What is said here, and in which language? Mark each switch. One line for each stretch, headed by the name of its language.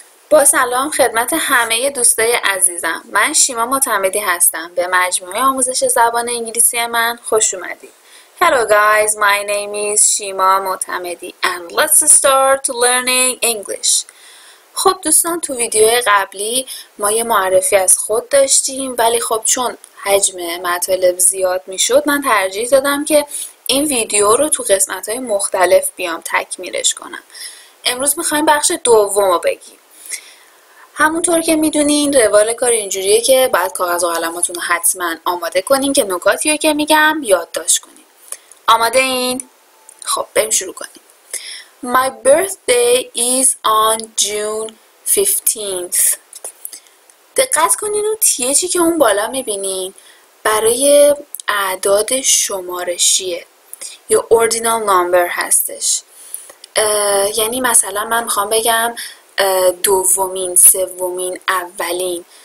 Persian: با سلام خدمت همه دوستای عزیزم، من شیما معتمدی هستم. به مجموعه آموزش زبان انگلیسی من خوش اومدید.
English: Hello guys, my name is Shima Motamedi and let's start learning English.
Persian: خب دوستان، تو ویدیو قبلی ما یه معرفی از خود داشتیم، ولی خب چون حجم مطالب زیاد میشد من ترجیح دادم که این ویدیو رو تو قسمت‌های مختلف بیام تکمیلش کنم. امروز میخوایم بخش دوم رو بگیم. همونطور که میدونین روال کار اینجوریه که بعد کاغذ و قلماتون رو حتما آماده کنین که نکاتی رو که میگم یادداشت کنین. آماده این؟ خب بریم شروع کنیم.
English: My birthday is on June 15th.
Persian: دقت کنین و تیچی که اون بالا میبینین برای اعداد شمارشیه یا ordinal number هستش. یعنی مثلا من میخوام بگم دومین، سومین، اولین.